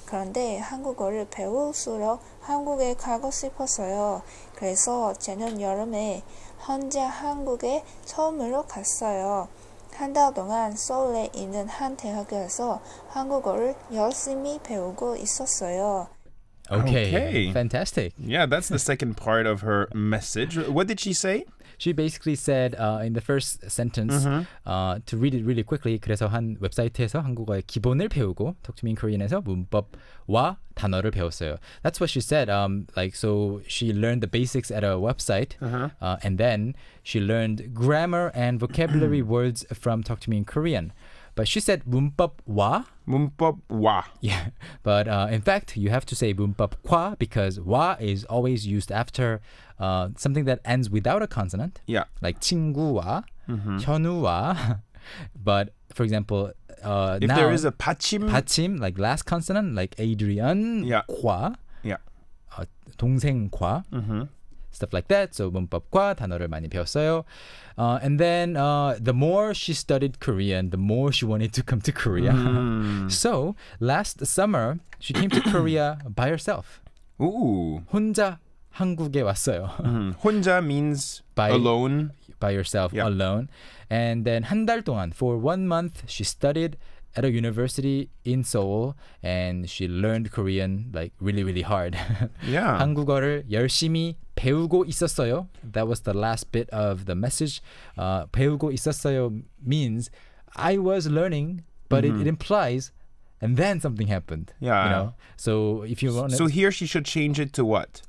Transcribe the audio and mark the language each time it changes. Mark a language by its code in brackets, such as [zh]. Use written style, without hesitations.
[ko] 그런데 한국어를 배울수록 한국에 가고 싶었어요. 그래서 재년 여름에 혼자 한국에 처음으로 갔어요. 한 달 동안 서울에 있는 한 대학교에서 한국어를 열심히 배우고 있었어요. [en] Okay. Fantastic. Yeah, that's the second part of her message. What did she say? She basically said in the first sentence, to read it really quickly, [ko] 그래서 한 웹사이트에서 한국어의 기본을 배우고, Talk to me in Korean에서 문법과 단어를 배웠어요. [en] That's what she said. So she learned the basics at a website, and then she learned grammar and vocabulary words from Talk to me in Korean. But she said 문법과. [ko] 문법과. [en] Yeah. But in fact, you have to say 문법과 because 와 is always used after something that ends without a consonant. Yeah. Like 친구와, 현우와. But for example, if now, there is a 받침. 받침, like last consonant, like Adrian. Yeah. [ko] 과. [en] Yeah. 동생과. Stuff like that. [ko] So 문법과 단어를 많이 배웠어요. [en] And then the more she studied Korean, the more she wanted to come to Korea. So last summer, she came to Korea by herself. Ooh. [ko] 혼자 한국에 왔어요. [en] 혼자 means by, alone. By yourself, yeah. Alone. And then [ko] 한 달 동안, [en] for 1 month, she studied at a university in Seoul, and she learned Korean like really, really hard. Yeah. [ko] 한국어를 열심히 배우고 있었어요. [en] That was the last bit of the message. [ko] 배우고 있었어요 [en] means I was learning, but it implies, and then something happened. Yeah. You know? So if you want to. So here she should change it to what?